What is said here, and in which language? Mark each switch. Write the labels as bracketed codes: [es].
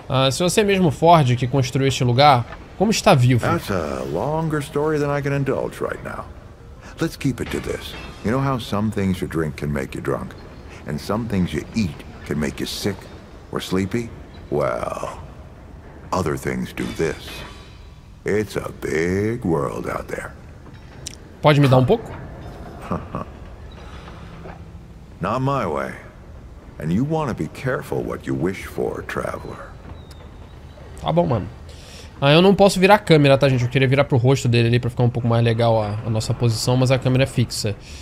[pt] Se você é mesmo Ford que construiu este lugar, como está vivo? [en] That's a longer story than I can indulge right now. Let's keep it to this. You know how some things you drink can make you drunk, and some things you eat can make you sick or sleepy? Well, other things do this. It's a big world out there. [pt] Pode me dar um pouco? [en] Not my way. And you want to be careful what you wish for, traveler. [pt] Tá bom, mano. Ah, eu não posso virar a câmera, tá, gente? Eu queria virar pro rosto dele ali pra ficar um pouco mais legal a nossa posição, mas a câmera é fixa.